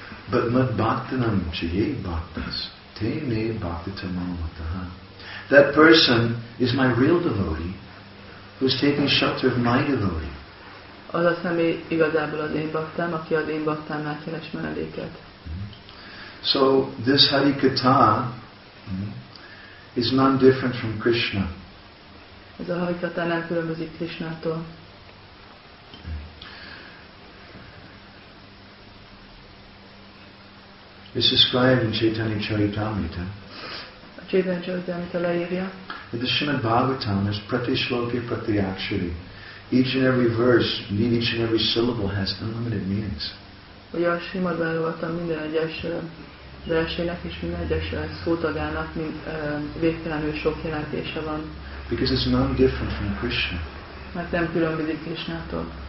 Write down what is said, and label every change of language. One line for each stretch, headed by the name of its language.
Sanskrit: But mad bhaktanam chaye bhaktas, te me bhaktatamamataha.
English: That person is my real devotee, who's taking shelter of my devotee.
Hungarian: Az a személy igazából az én bhaktám, aki az én bhaktámnál keres menedéket.
English: So this harikata is none different from Krishna.
Hungarian: Ez a harikata nem különbözik Krishnától.
English: It's described in Chaitanya Charitamrita.
Hungarian: A Chaitanya Charitamrita leírja.
English: In the Srimad Bhagavatam, there's
Sanskrit: pratishloki pratyakshari.
English: Each and every verse, indeed each and every syllable has unlimited meanings.
Hungarian: Ugye a Srimad Bhagavatam minden egyes versének és minden egyes szótagának végtelenül sok jelentése van.
English: Because it's none different from Krishna.
Hungarian: Mert nem különbözik Krishnától.